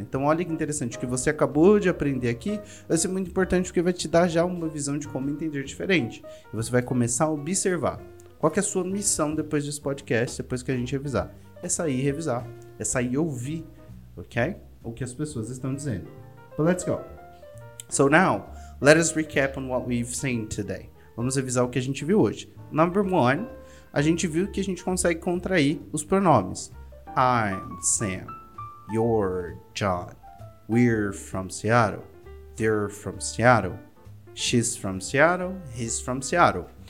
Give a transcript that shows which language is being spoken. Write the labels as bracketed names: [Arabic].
[Portuguese] Então, olha que interessante, o que você acabou de aprender aqui vai ser muito importante, porque vai te dar já uma visão de como entender diferente. E você vai começar a observar qual que é a sua missão depois desse podcast, depois que a gente revisar. É sair e revisar, é sair e ouvir, ok? O que as pessoas estão dizendo. [English] But let's go. So now, let us recap on what we've seen today. [Portuguese] Vamos revisar o que a gente viu hoje. [English] Number one, [Portuguese] a gente viu que a gente consegue contrair os pronomes. [English] I'm Sam. You're John. We're from Seattle. They're from Seattle. She's from Seattle. He's from Seattle.